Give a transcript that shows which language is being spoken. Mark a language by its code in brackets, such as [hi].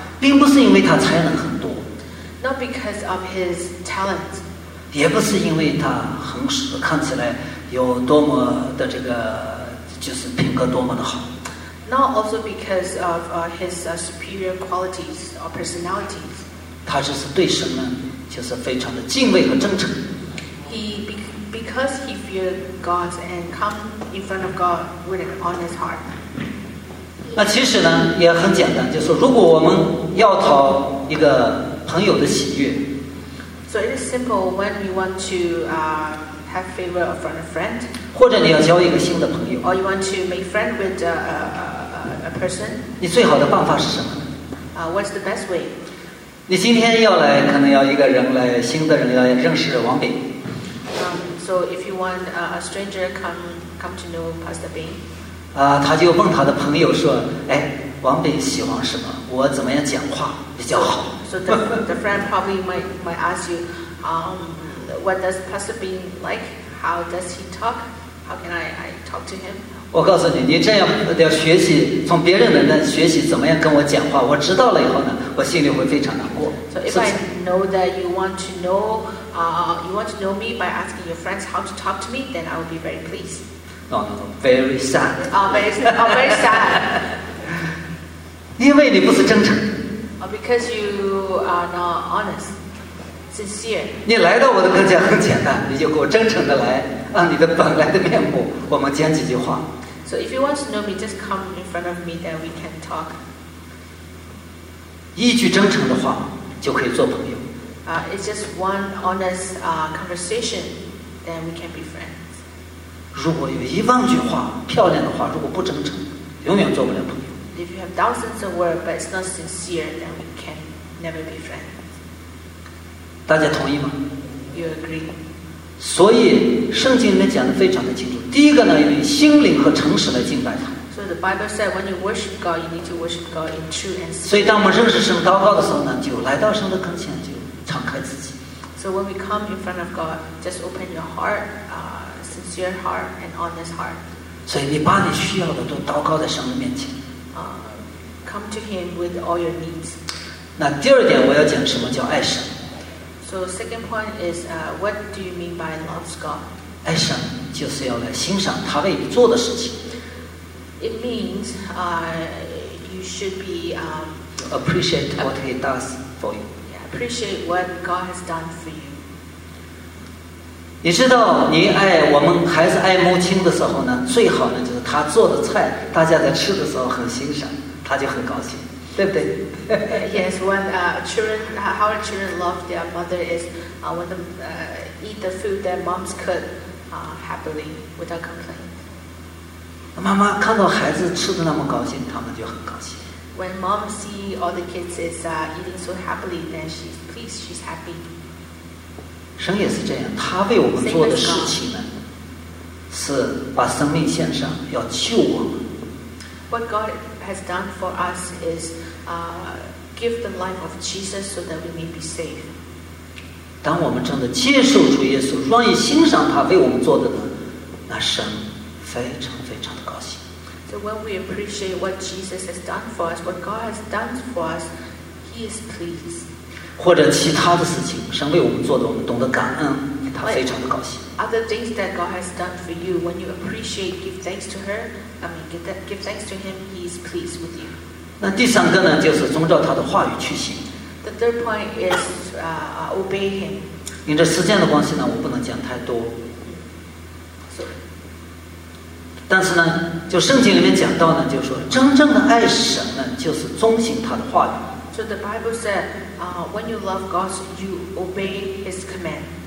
[zh] 并不是因为他才能很多。 [en] Not because of his talent. [zh] 也不是因为他很看起来。有多么的这个，就是品格多么的好。 [en] Not also because of his superior qualities or personalities. [zh] 他就是对神呢，就是非常的敬畏和真诚。 [en] He because he feared God and come in front of God with an honest heart. [zh] 那其实呢，也很简单，就是如果我们要讨一个朋友的喜悦。 [en] So it is simple when we want to. Have favor from a friend, [zh] 或者你要交一个新的朋友 [en] or you want to make friend with a person. [zh] 你最好的办法是什么呢？ [en] What's the best way? [zh] 你今天要来，可能要一个人来，新的人要认识王炳。 [en] So if you want a stranger come to know Pastor Bing. [zh] 他就问他的朋友说，哎，王炳喜欢什么？我怎么样讲话比较好 [en] ？So the friend probably might ask you, What does Pastor Bin like? How does he talk? How can I talk to him? [zh] 我告诉你，你这样要学习从别人的那学习怎么样跟我讲话。我知道了以后呢，我心里会非常难过。 [en] So if I know that you want to know, you want to know me by asking your friends how to talk to me, then I will be very pleased. No, very sad. Very sad. [zh] 因为你不是真诚。 [en] Because you are not honest. Sincere. [zh] 你来到我的课间很简单，你就给我真诚的来，按你的本来的面目，我们讲几句话。 [en] So if you want to know me, just come in front of me, then we can talk. [zh] 一句真诚的话就可以做朋友。 [en] It's just one honest conversation, then we can be friends. [zh] 如果有一万句话漂亮的话，如果不真诚，永远做不了朋友。 [en] If you have thousands of words but it's not sincere, then we can never be friends. [zh] 大家同意吗 [en] ？You agree. [zh] 所以圣经里面讲的非常的清楚。第一个呢，用心灵和诚实来敬拜他。 [en] So the Bible said, when you worship God, you need to worship God in true and sincere. [zh] 所以当我们认识神、祷告的时候呢，就来到神的跟前，就敞开自己。 [en] So when we come in front of God, just open your heart, sincere heart and honest heart. [zh] 所以你把你需要的都祷告在神的面前。 [en] Come to Him with all your needs. [zh] 那第二点我要讲什么叫爱神。 [en] So second point is, what do you mean by love God? [zh] 爱神就是要来欣赏他为你做的事情。 [en] It means, you should be appreciate what He does for you. Yeah, appreciate what God has done for you. [zh] 你知道，你爱我们孩子爱母亲的时候呢，最好呢就是他做的菜，大家在吃的时候很欣赏，他就很高兴。对不对 [en] ？Yes, when children, how children love their mother is when them eat the food that moms cook happily without complaint. [zh] 妈妈看到孩子吃的那么高兴，他们就很高兴。 [en] When mom see all the kids is eating so happily, then she's pleased, she's happy. [zh] 神也是这样，他为我们做的事情呢，是把生命献上，要救我们。 [en] What God has done for us is, give the life of Jesus so that we may be saved. [zh] 当我们真的接受主耶稣，愿意欣赏他为我们做的呢，那神非常非常的高兴。 [en] So when we appreciate what Jesus has done for us, what God has done for us, He is pleased. [zh] 或者其他的事情，神为我们做的，我们懂得感恩，他非常的高兴。 [en] Other things that God has done for you, when you appreciate, give thanks to her, I mean, give thanks to him, he is pleased with you. [zh] 那第三个呢，就是遵照他的话语去行。 [en] The third point is, obey him. [zh] 因着时间的关系呢，我不能讲太多。 [en] So, [zh] 但是呢，就圣经里面讲到呢，就是说真正的爱神呢，就是遵行他的话语。 [en] So the Bible said, when you love God, you obey His command.